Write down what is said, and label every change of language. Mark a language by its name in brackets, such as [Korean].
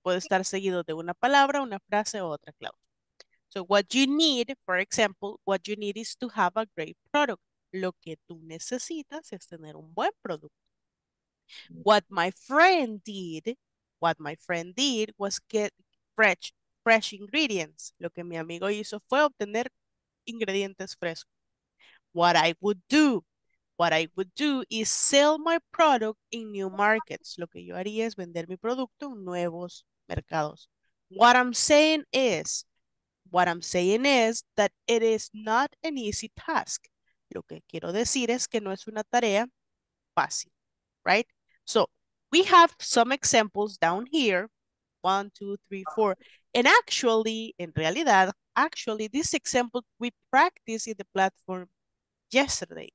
[Spanish] Puede estar seguido de una palabra, una frase o otra cláusula. [English] So, what you need, for example, what you need is to have a great product. [Spanish] Lo que tú necesitas es tener un buen producto. [English] What my friend did was get fresh ingredients. [Spanish] Lo que mi amigo hizo fue obtener ingredientes frescos. [English] What I would do is sell my product in new markets. [Spanish] Lo que yo haría es vender mi producto en nuevos mercados. [English] What I'm saying is that it is not an easy task. [Spanish] Lo que quiero decir es que no es una tarea fácil. [English] Right? So, we have some examples down here. 1, 2, 3, 4. And actually, [Spanish] en realidad, [English] actually, this example we practiced in the platform yesterday.